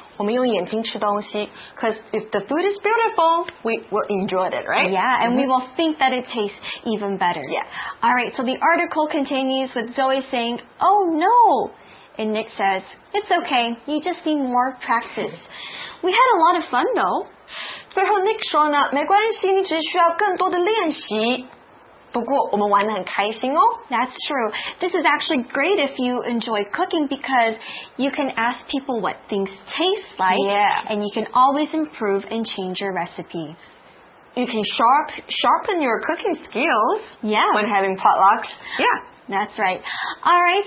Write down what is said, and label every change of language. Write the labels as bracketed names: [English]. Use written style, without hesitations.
[Chinese] 我们用眼睛吃东西 [English] because if the food is beautiful, we will enjoy it, right? Yeah, and、mm-hmm. we will think that it tastes even better. Yeah. All right, so the article continues with Zoe saying, oh no. And Nick says, it's okay, you just need more practice. We had a lot of fun though. [Chinese] 最后 Nick 说呢，没关系，你只需要更多的练习。不过我们玩得很开心哦。 [English] That's true. This is actually great if you enjoy cooking because you can ask people what things taste like. Yeah. And you can always improve and change your recipe. You can sharpen your cooking skills. Yeah. When having potlucks. Yeah. That's right. All right.